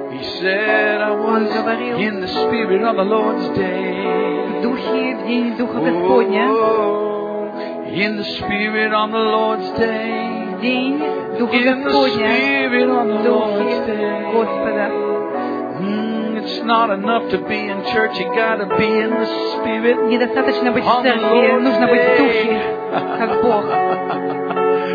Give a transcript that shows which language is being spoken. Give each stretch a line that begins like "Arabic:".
English: He said, I was in the spirit of the Lord's day.
Russian: В духе, в день Духа Господня.
English: In the spirit on the Lord's day.
Russian: В день Духа Господня.
English: In the spirit on the Lord's day.
Russian: Господа.
English: It's not enough to be in church. You gotta be in the spirit.
Russian: Недостаточно быть в церкви, нужно быть в духе, как Бог.